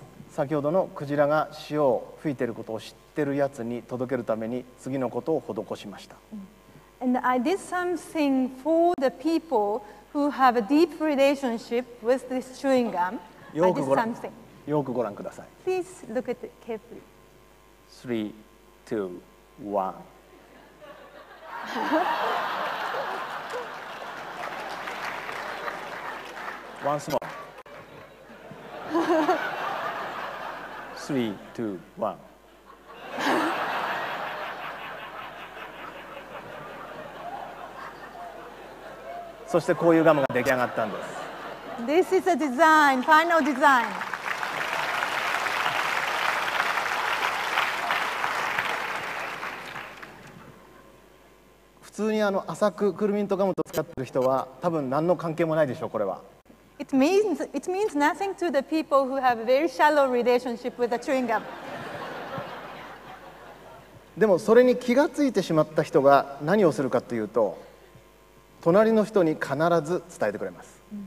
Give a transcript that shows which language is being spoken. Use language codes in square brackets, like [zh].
[ja] 先ほどのクジラが塩を吹いていることを知っているやつに届けるために次のことを施しました。 [en] And I did something for the people who have a deep relationship with this chewing gum. [ja] よくご覧、よくご覧ください。 [en] Please look at it carefully. Three, two, one. Once more. Three, two, one. [ja] そしてこういうガムが出来上がったんです。 [en] This is a design, final design. [ja] 普通にあの浅くクルミントガムと使っている人は多分何の関係もないでしょう。これは [en] It means nothing to the people who have a very shallow relationship with the chewing gum. [ja] でもそれに気がついてしまった人が何をするかというと、隣の人に必ず伝えてくれます。